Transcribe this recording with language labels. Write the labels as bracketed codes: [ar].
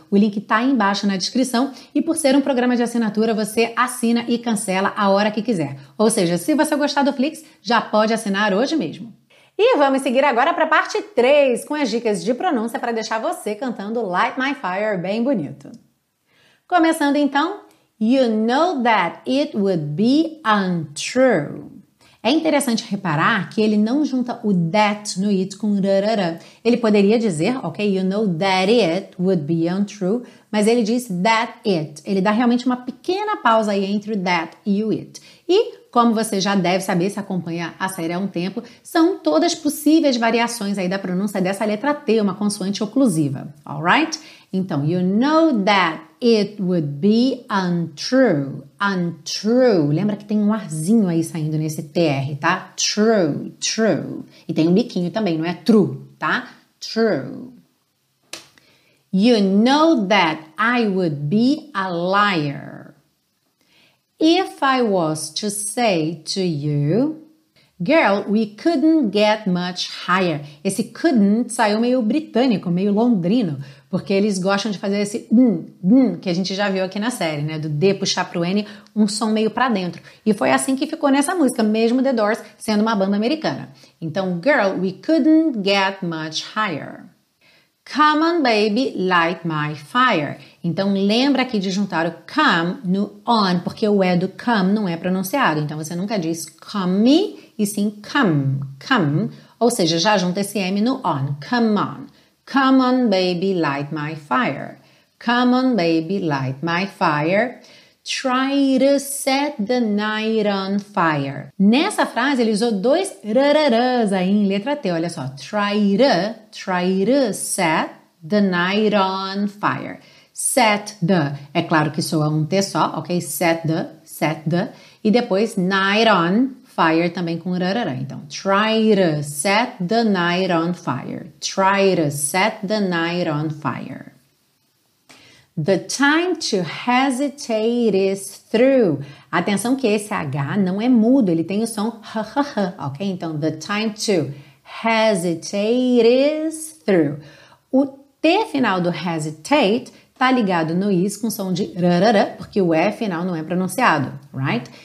[pt] O link está aí embaixo na descrição. E por ser um programa de assinatura, você assina e cancela a hora que quiser. Ou seja, se você gostar do Flix, já pode assinar hoje mesmo. E vamos seguir agora para a parte 3, com as dicas de pronúncia para deixar você cantando Light My Fire bem bonito. Começando então, [en] You know that it would be untrue. [pt] É interessante reparar que ele não junta o that no it com rarara. Ele poderia dizer, ok, [en] you know that it would be untrue, [pt] mas ele diz that it. Ele dá realmente uma pequena pausa aí entre o that e o it. E, como você já deve saber se acompanha a série há um tempo, são todas possíveis variações aí da pronúncia dessa letra T, uma consoante oclusiva. [en] Alright? Então, you know that it would be untrue. Untrue. [pt] Lembra que tem um arzinho aí saindo nesse TR, tá? True, true. E tem um biquinho também, não é true, tá? [en] True. You know that I would be a liar. If I was to say to you, girl, we couldn't get much higher. [pt] Esse couldn't saiu meio britânico, meio londrino, porque eles gostam de fazer esse que a gente já viu aqui na série, né? Do D puxar pro N, um som meio pra dentro. E foi assim que ficou nessa música, mesmo The Doors sendo uma banda americana. [en] Então, girl, we couldn't get much higher. Come on, baby, light my fire. [pt] Então, lembra aqui de juntar o come no on, porque o E do come não é pronunciado. Então, você nunca diz come me, e sim come, come. Ou seja, já junta esse M no on, [en] come on. Come on, baby, light my fire. Come on, baby, light my fire. Try to set the night on fire. [pt] Nessa frase, ele usou dois rararãs aí em letra T, olha só. [en] Try to set the night on fire. Set the, [pt] é claro que soa um T só, ok? Set the. E depois, [en] night on fire [pt] também com rararã. [en] Então, try to set the night on fire. Try to set the night on fire. The time to hesitate is through. [pt] Atenção que esse H não é mudo, ele tem o som h, ok? [en] Então, the time to hesitate is through. [pt] O T final do hesitate tá ligado no is com som de rarara, porque o E final não é pronunciado, right?